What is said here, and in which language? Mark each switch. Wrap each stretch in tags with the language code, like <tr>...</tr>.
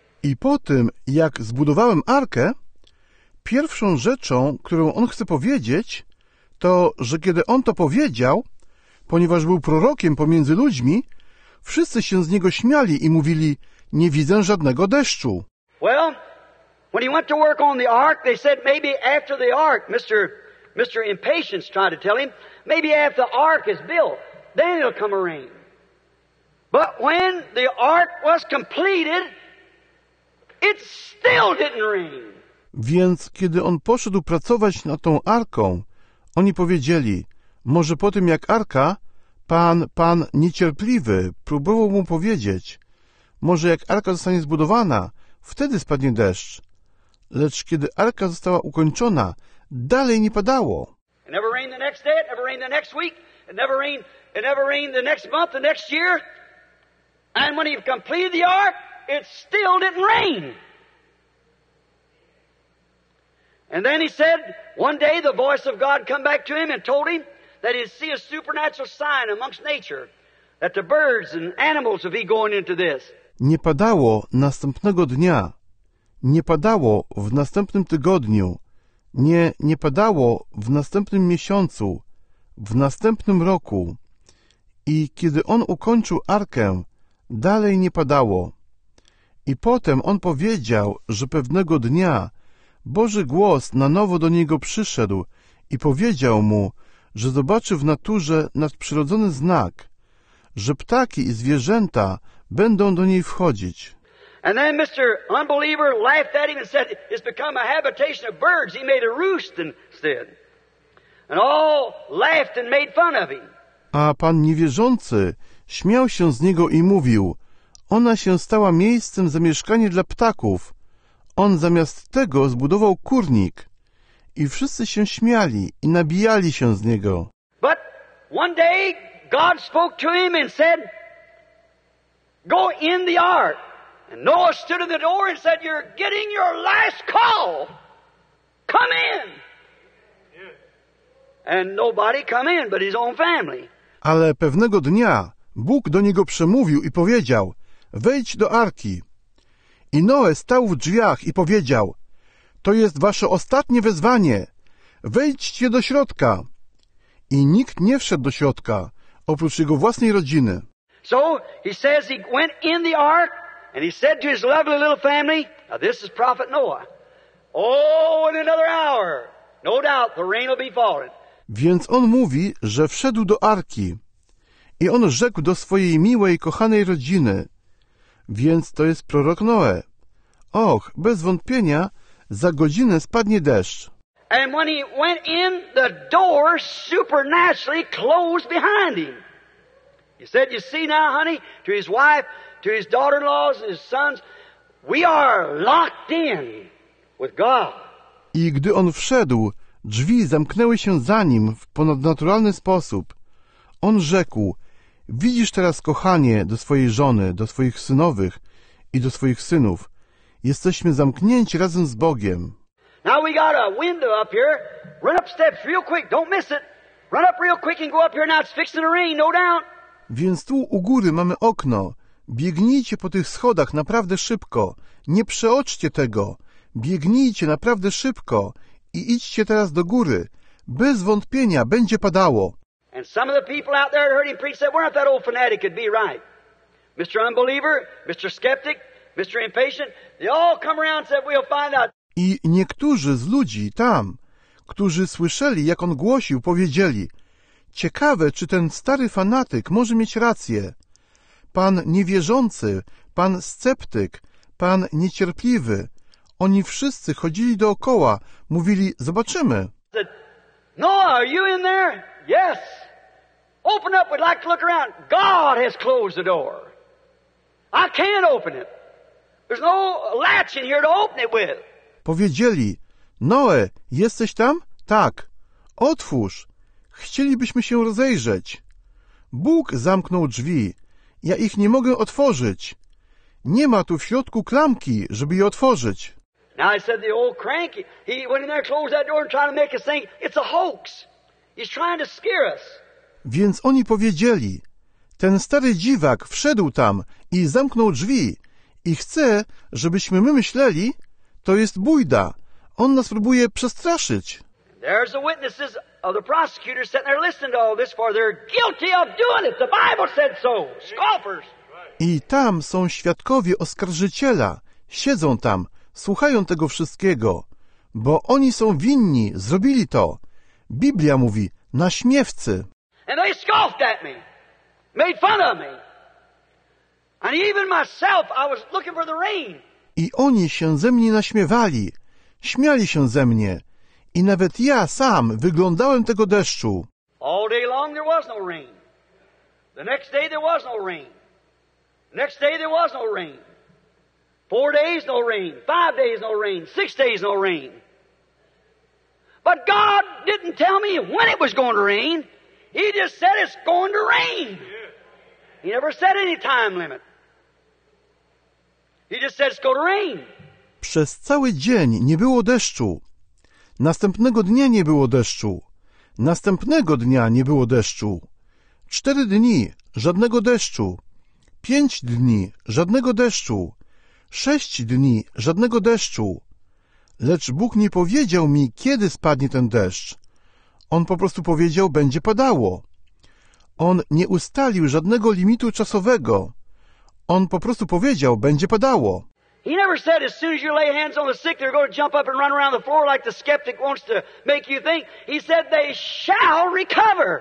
<pl>I po tym, jak zbudowałem arkę, pierwszą rzeczą, którą on chce powiedzieć, to, że kiedy on to powiedział, ponieważ był prorokiem pomiędzy ludźmi, wszyscy się z niego śmiali i mówili, nie widzę żadnego deszczu.</pl> <en>Well, when he went to work on the ark, they said maybe after the ark, Mr. Impatience tried to tell him, maybe after the ark is built, then it'll come a rain. But when the ark was completed, it still didn't rain.</en> <pl>Więc kiedy on poszedł pracować nad tą arką, oni powiedzieli, może po tym jak arka, pan niecierpliwy próbował mu powiedzieć, może jak arka zostanie zbudowana, wtedy spadnie deszcz. Lecz kiedy arka została ukończona, dalej nie padało.</pl> <en>It never rained the next day, it never rained the next week, it never rained the next month, the next year. And when he completed the ark, it still didn't rain. And then he said, one day the voice of God come back to him and told him that he'd see a supernatural sign amongst nature, that the birds and animals would be going into this.</en> <pl>Nie padało następnego dnia, nie padało w następnym tygodniu, nie padało w następnym miesiącu, w następnym roku. I kiedy on ukończył arkę, dalej nie padało. I potem on powiedział, że pewnego dnia Boży głos na nowo do niego przyszedł i powiedział mu, że zobaczy w naturze nadprzyrodzony znak, że ptaki i zwierzęta będą do niej wchodzić.</pl> <en>And then Mr. Unbeliever laughed at him and said, it's become a habitation of birds. He made a roost instead. And all laughed and made fun of him.</en> <pl>A pan niewierzący śmiał się z niego i mówił, ona się stała miejscem zamieszkania dla ptaków. On zamiast tego zbudował kurnik. I wszyscy się śmiali i nabijali się z niego.</pl> <en>But one day God spoke to him and said, go in the ark. And Noah stood at the door and said, you're getting your last call. Come in. And nobody come in but his own family.</en> <pl>Ale pewnego dnia Bóg do niego przemówił i powiedział, wejdź do arki. I Noe stał w drzwiach i powiedział, to jest wasze ostatnie wezwanie. Wejdźcie do środka. I nikt nie wszedł do środka, oprócz jego własnej rodziny.</pl> <en>So he says he went in the ark. And he said to his lovely little family, now this is Prophet Noah, oh, in another hour, no doubt the rain will be falling.</en> <pl>Więc on mówi, że wszedł do arki. I on rzekł do swojej miłej, kochanej rodziny. Więc to jest prorok Noe. Och, bez wątpienia, za godzinę spadnie deszcz.</pl> <en>And when he went in, the door supernaturally closed behind him. He said, you see now, honey, to his wife, to his daughter-in-laws, his sons, we are locked in with God.</en> <pl>I gdy on wszedł, drzwi zamknęły się za nim w ponadnaturalny sposób. On rzekł, widzisz teraz, kochanie, do swojej żony, do swoich synowych i do swoich synów. Jesteśmy zamknięci razem z Bogiem.</pl> <en>Now we got a window up here. Run up steps real quick. Don't miss it. Run up real quick and go up here. Now it's fixing the rain, no doubt.</en> <pl>Więc tu u góry mamy okno. Biegnijcie po tych schodach naprawdę szybko. Nie przeoczcie tego. Biegnijcie naprawdę szybko i idźcie teraz do góry. Bez wątpienia będzie padało.</pl> <en>And some of the people out there heard him preach that weren't that old fanatic could be right. Mr. Unbeliever, Mr. Skeptic, Mr. Impatient, they all come around and said we'll find out.</en> <pl>I niektórzy z ludzi tam, którzy słyszeli, jak on głosił, powiedzieli, ciekawe, czy ten stary fanatyk może mieć rację. Pan niewierzący, pan sceptyk, pan niecierpliwy, oni wszyscy chodzili dookoła, mówili, zobaczymy.</pl> <en>Noah, are you in there? Yes. Open up, we'd like to look around. God has closed the door. I can't open it. There's no latch in here to open it with.</en> <pl>Powiedzieli, Noe, jesteś tam? Tak. Otwórz. Chcielibyśmy się rozejrzeć. Bóg zamknął drzwi. Ja ich nie mogę otworzyć. Nie ma tu w środku klamki, żeby je otworzyć.</pl> <en>Now I said the old crank, he went in there, closed that door and tried to make us think it's a hoax. He's trying to scare us.</en> <pl>Więc oni powiedzieli, ten stary dziwak wszedł tam i zamknął drzwi i chce, żebyśmy my myśleli, to jest bójda. On nas próbuje przestraszyć.</pl> <en>There's the witnesses of the prosecutors sitting there listening to all this, for they're guilty of doing it. The Bible said so. Scoffers.</en> <pl>I tam są świadkowie oskarżyciela. Siedzą tam, słuchają tego wszystkiego, bo oni są winni, zrobili to. Biblia mówi, naśmiewcy.</pl> <en>And they scoffed at me. Made fun of me. And even myself, I was looking for the rain.</en> <pl>I oni się ze mnie naśmiewali. Śmiali się ze mnie. I nawet ja sam wyglądałem tego deszczu.</pl> <en>All day long there was no rain. The next day there was no rain. The next day there was no rain. 4 days no rain. 5 days no rain. 6 days no rain. But God didn't tell me when it was going to rain. He just said it's going to rain. He never said any time limit. He just said it's going to rain.</en> <pl>Przez cały dzień nie było deszczu. Następnego dnia nie było deszczu. Następnego dnia nie było deszczu. 4 dni żadnego deszczu. 5 dni żadnego deszczu. 6 dni żadnego deszczu. Lecz Bóg nie powiedział mi, kiedy spadnie ten deszcz. On po prostu powiedział, będzie padało. On nie ustalił żadnego limitu czasowego. On po prostu powiedział, będzie padało.</pl> <en>He never said as soon as you lay hands on the sick, they're going to jump up and run around the floor like the skeptic wants to make you think. He said they shall recover.</en>